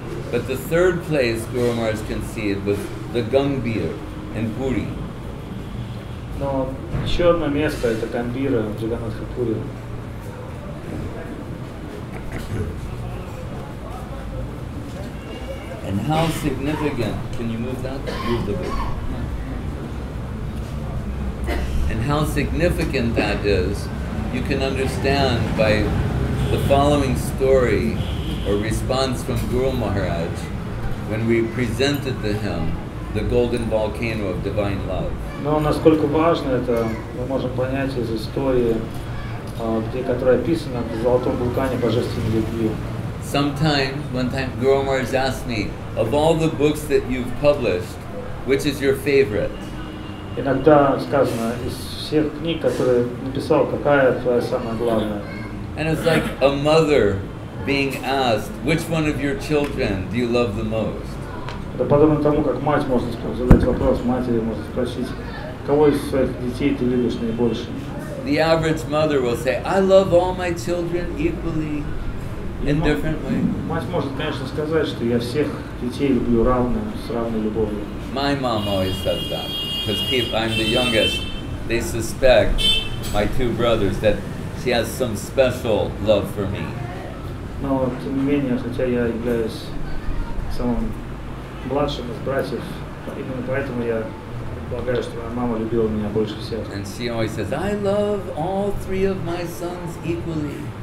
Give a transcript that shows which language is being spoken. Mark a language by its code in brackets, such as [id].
[en] But the third place Guru Maharaj conceived was the Gambir in Пури. [ru] Но еще одно место — это Гамбира в Джаганатхапуре. [en] And how significant, can you move that? Move the book. And how significant that is, you can understand by the following story or response from Guru Maharaj when we presented to him the golden volcano of divine love. [ru] Но насколько важно это, мы можем понять из истории, где которая описана в Золотом вулкане Божественной Любви. [en] One time Guru Maharaj asked me, of all the books that you've published, which is your favorite? [ru] Иногда сказано, из всех книг, которые написал, какая твоя самая главная? [en] And it's like a mother being asked, which one of your children do you love the most? [ru] Это подобно тому, как мать может задать вопрос матери, может спросить, кого из своих детей ты любишь наибольше? [en] The average mother will say, I love all my children equally. In different way. [ru] Мать может, конечно, сказать, что я всех детей люблю равно, с равной любовью. [en] My mom always says that, because I'm the youngest. They suspect my two brothers that she has some special love for me. [ru] Но тем не менее, хотя я являюсь самым младшим из братьев, именно поэтому я полагаю, что моя мама любила меня больше всех. [en] And she always says, I love all three of my sons equally.